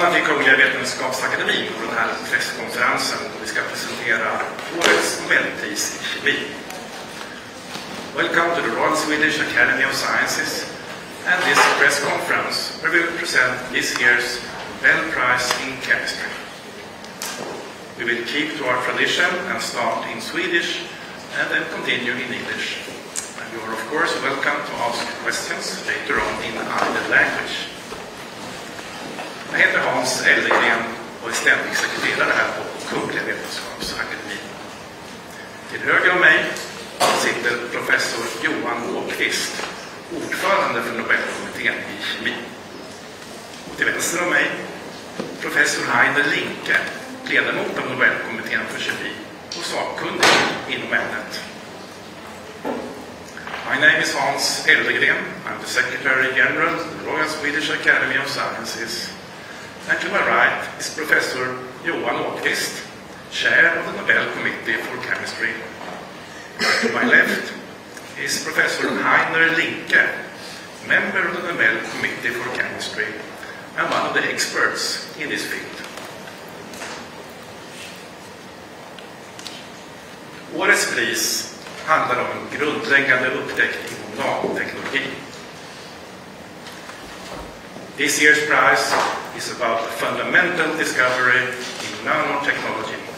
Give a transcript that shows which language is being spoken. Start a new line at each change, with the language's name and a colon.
Swedish: Norge Vetenskapsakademi på den här presskonferensen då vi ska presentera årets Nobelpris I kemi.
English: Welcome to the Royal Swedish Academy of Sciences and this press conference where we will present this year's Nobel Prize in Chemistry. We will keep to our tradition and start in Swedish and then continue in English. And you are of course welcome to ask questions later on in either language.
Swedish: Jag heter Hans Ellegren och är ständig sekreterare här på Kungliga Vetenskapsakademin. Till höger om mig sitter professor Johan Åkvist, ordförande för Nobelkommittén I kemi. Och till vänster om mig professor Heiner Linke, ledamot av Nobelkommittén för kemi och sakkunnig inom ämnet.
English: My name is Hans Ellegren. I'm the Secretary General of the Royal Swedish Academy of Sciences. And to my right is Professor Johan Åkvist, Chair of the Nobel Committee for Chemistry. To my left is Professor Heiner Linke, member of the Nobel Committee for Chemistry, and one of the experts in this field.
Swedish: Årets pris handlar om en grundläggande upptäckt inom nanoteknologi.
English: This year's prize is about a fundamental discovery in nanotechnology.